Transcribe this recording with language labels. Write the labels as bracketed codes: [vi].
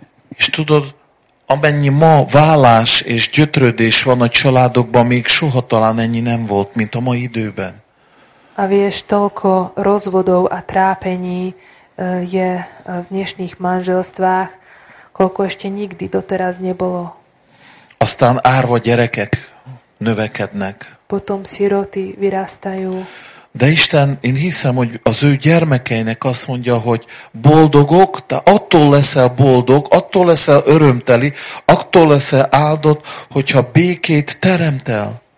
[hu] És tudod, amennyi ma válás és gyötrődés van a családokban, még soha talán ennyi nem volt, mint a mai időben. [sk] A vieš, toľko rozvodov a trápení je v dnešných manželstvách, koľko ešte nikdy doteraz nebolo. [hu] Aztán árva gyerekek növekednek. [sk] Potom siroty vyrastajú. [hu] De Isten, én hiszem, hogy az ő gyermekeinek azt mondja, hogy boldogok, te attól leszel boldog, attól leszel örömteli, attól leszel áldott, hogyha békét teremtel.